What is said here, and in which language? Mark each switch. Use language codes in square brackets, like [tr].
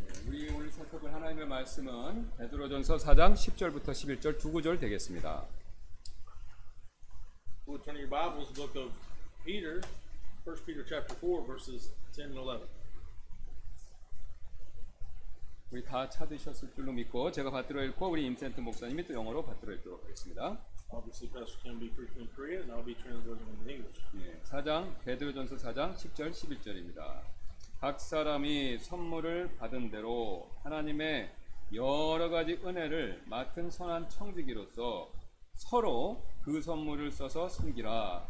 [ko] 우리 오늘 살펴볼 하나님의 말씀은 베드로전서 4장 10절부터 11절 두 구절 되겠습니다. [en] We'll turn to your Bibles, book of Peter, 1 Peter chapter 4, verses 10 and 11. [ko] 우리 다 찾으셨을 줄로 믿고 제가 받들어 읽고 우리 임센트 목사님이 또 영어로 받들어 읽도록 하겠습니다. [en] Obviously, Pastor Kim will be preaching in Korean, and I'll be translating in English. [ko] 4장, 베드로전서 4장 10절 11절입니다. 각 사람이 선물을 받은 대로 하나님의 여러 가지 은혜를 맡은 선한 청지기로서 서로 그 선물을 써서 섬기라.